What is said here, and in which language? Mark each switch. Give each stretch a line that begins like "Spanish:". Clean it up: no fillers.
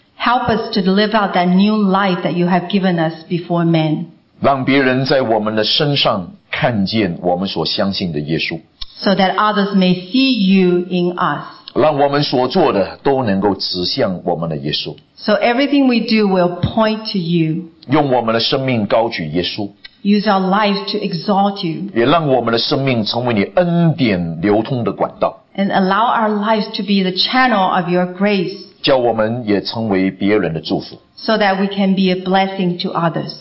English: Help us to live out that new life that you have given us before men.
Chinese: 让别人在我们的身上看见我们所相信的耶稣。
English: So that others may see you in us.
Chinese: 让我们所做的都能够指向我们的耶稣。
English: So everything we do will point to you.
Chinese: 用我们的生命高举耶稣。
English: Use our lives to exalt you.
Chinese: 也让我们的生命成为你恩典流通的管道。
English: And allow our lives to be the channel of your grace.
Chinese: 叫我们也成为别人的祝福。
English: So that we can be a blessing to others.